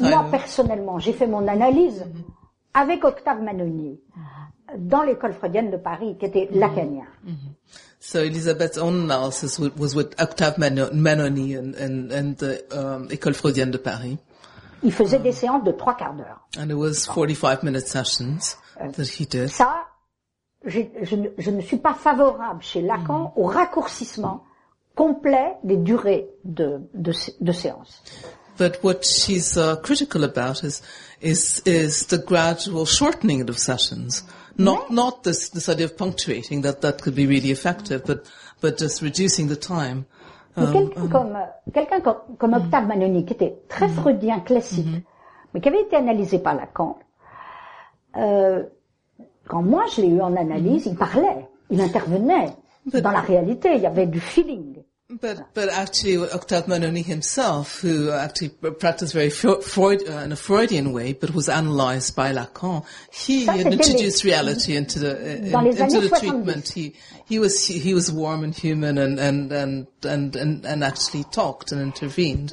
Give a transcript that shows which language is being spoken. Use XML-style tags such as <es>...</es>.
<fr>personnellement, j'ai fait mon analyse avec Octave Manoni dans l'école freudienne de Paris, qui était lacanien.</fr> <en>So Elizabeth's own analysis was with Octave Manoni and the école freudienne de Paris.</en> <fr>Il faisait des séances de trois quarts d'heure.</fr> <en>And it was 45-minute sessions that he did.</en> <fr>Ça, je ne suis pas favorable chez Lacan au raccourcissement complet des durées de séance.</fr> <en>But what she's critical about is the gradual shortening of sessions. Not this idea of punctuating, that could be really effective, but just reducing the time.</en> <fr>Quelqu'un comme Octave Manoni, qui était très freudien classique, mais qui avait été analysé par Lacan, quand moi je l'ai eu en analyse, il parlait, il intervenait dans la réalité, il y avait du feeling.</fr> <en>But actually, Octave Manoni himself, who actually practiced very in a Freudian way, but was analyzed by Lacan, he introduced reality into the treatment. He was warm and human and actually talked and intervened.</en>